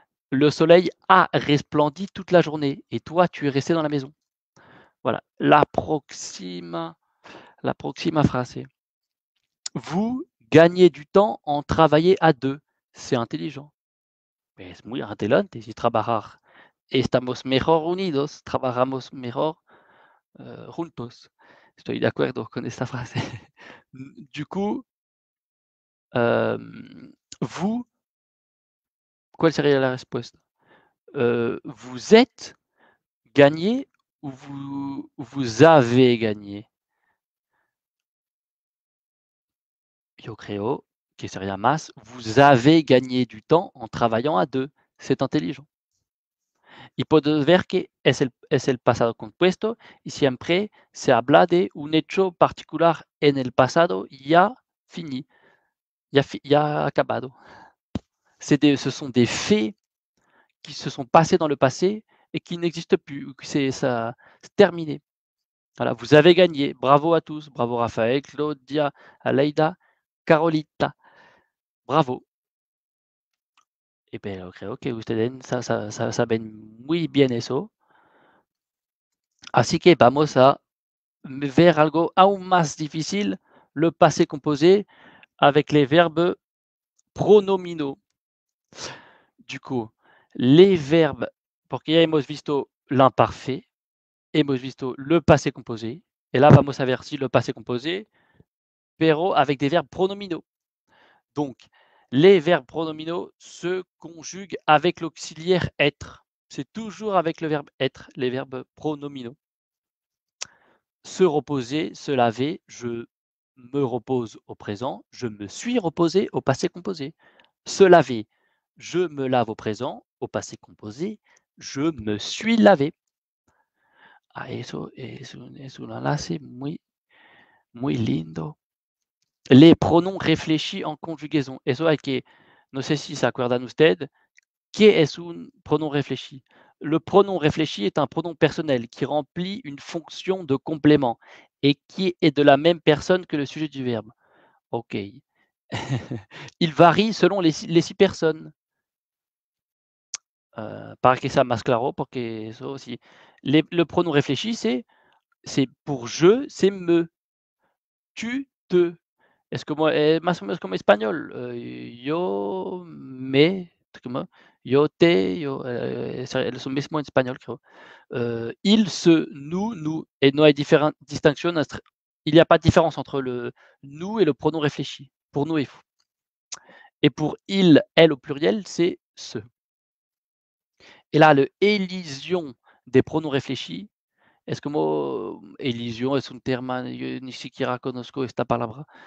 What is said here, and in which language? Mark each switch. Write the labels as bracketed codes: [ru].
[fr] Le soleil a resplendi toute la journée et toi, tu es resté dans la maison. Voilà. [es] La próxima frase. [fr] Vous gagnez du temps en travaillant à deux. C'est intelligent. [es] Es muy inteligente si trabajar. Estamos mejor unidos. Trabajamos mejor juntos. Estoy de acuerdo con esta frase. [fr] Du coup, vous, quelle serait la réponse? Vous êtes gagné ou vous avez gagné? [es] Yo creo que sería más, [fr] vous avez gagné du temps en travaillant à deux. C'est intelligent. [es] Y puedes ver que es el pasado compuesto y siempre se habla de un hecho particular en el pasado ya fini, ya acabado. [fr] Ce sont des faits qui se sont passés dans le passé et qui n'existent plus, c'est terminé. Voilà, vous avez gagné, bravo à tous, bravo Raphaël, Claudia, Aleida, Carolita, bravo. [es] Pero creo que ustedes saben muy bien eso. Así que vamos a ver algo aún más difícil, le passé composé. [fr] avec les verbes pronominaux. Du coup, les verbes, [es] porque ya hemos visto [fr] l'imparfait, [es] hemos visto [fr] le passé composé, et là [es] vamos a ver si [fr] le passé composé, pero avec des verbes pronominaux. Donc, les verbes pronominaux se conjuguent avec l'auxiliaire être. C'est toujours avec le verbe être, les verbes pronominaux. Se reposer, se laver, je me repose au présent, je me suis reposé au passé composé. Se laver, je me lave au présent, au passé composé, je me suis lavé. [es] Ah, eso es un enlace muy, muy lindo. [fr] Les pronoms réfléchis en conjugaison. [es] Eso hay que, no sé si se acuerdan ustedes, ¿qué es un pronom réfléchi? [fr] Le pronom réfléchi est un pronom personnel qui remplit une fonction de complément et qui est de la même personne que le sujet du verbe. Ok. Il varie selon les six personnes. [es] Para que sea más claro, porque eso aussi. [fr] Le pronom réfléchi, c'est pour je, c'est me. Tu, te. [es] Es como, más o menos como español. Yo, me. Yo, te, yo, es lo mismo en español, creo. [fr] Il, se, nous, nous. Et [es] no hay [fr] distinction. Il n'y a pas de différence entre le nous et le pronom réfléchi. Pour nous et vous. Et pour il, elle au pluriel, c'est se. Et là, le élision des pronoms réfléchis. [es] Es como, élision, es [fr] un terme, [es] yo ni siquiera conozco esta palabra.